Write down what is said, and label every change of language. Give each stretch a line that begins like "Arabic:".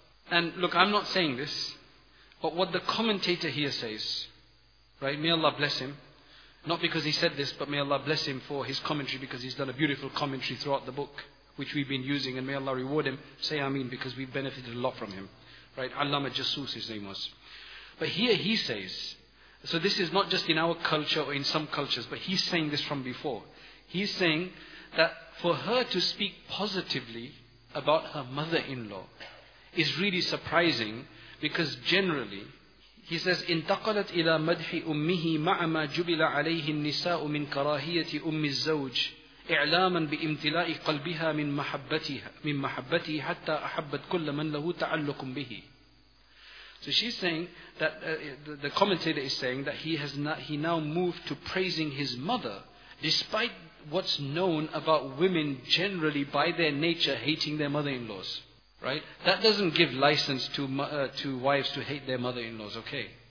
English: And look, I'm not saying this, but what the commentator here says, right, may Allah bless him, not because he said this, but may Allah bless him for his commentary, because he's done a beautiful commentary throughout the book, which we've been using, and may Allah reward him. Say Ameen, because we've benefited a lot from him. Right? Allama Jasus, his name was. But here he says, so this is not just in our culture or in some cultures, but he's saying this from before. He's saying that for her to speak positively about her mother-in-law is really surprising, because generally, he says,
Arabic: انتقلت إلى مدح أمه مع ما جبل عليه النساء من كراهية أم الزوج إعلاما بامتلاء قلبها من محبته حتى أحبت كل من له تعلق به.
English: So she's saying that the commentator is saying that he now moved to praising his mother, despite what's known about women generally by their nature hating their mother-in-laws. Right? That doesn't give license to wives to hate their mother-in-laws, okay?